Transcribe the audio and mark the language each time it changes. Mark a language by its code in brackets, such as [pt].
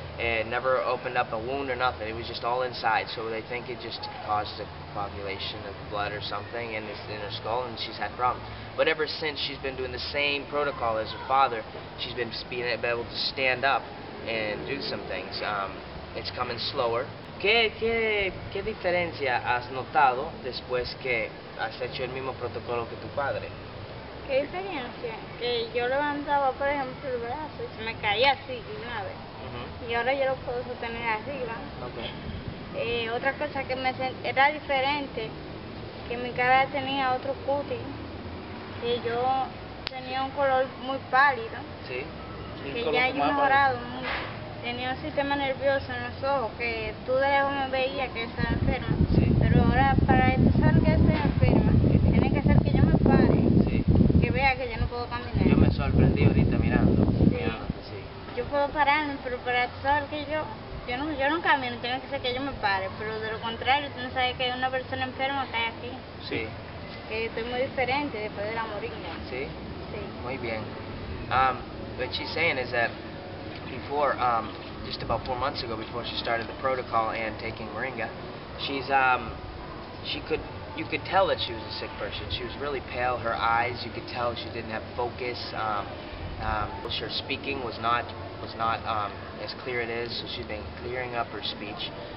[en] And never opened up a wound or nothing. It was just all inside. So they think it just caused a coagulation of blood or something in her skull, and she's had problems. But ever since, she's been doing the same protocol as her father. She's been able to stand up and do some things. It's coming slower. [es] ¿Qué diferencia has notado después que has hecho el mismo protocolo que tu padre? ¿Qué diferencia? Que yo levantaba, por ejemplo, el brazo y se me caía así una vez. Y ahora yo lo puedo sostener así, ¿verdad? [en] Okay. [es] Otra cosa que me era diferente, que mi cara tenía otro cutis, que yo tenía un color muy pálido. Sí. Que ya he mejorado mucho. Tenía un sistema nervioso en los ojos, que tú de lejos me veías que estaba enferma. Sí. Pero ahora, para empezar que estoy enferma, tiene que ser que yo me pare. Que yo no puedo caminar. Yo me sorprendí ahorita mirando. Sí. Yo puedo pararme, pero para saber que yo no camino, tiene que ser que yo me pare. Pero de lo contrario, tú no sabes que hay una persona enferma que hay aquí. Sí. Que estoy muy diferente después de la moringa. Sí. Sí. Muy bien. [en] What she's saying is that before, just about 4 months ago, before she started the protocol and taking moringa, you could tell that she was a sick person. She was really pale. Her eyes, you could tell she didn't have focus. Her speaking was not as clear it is. So she'd been clearing up her speech.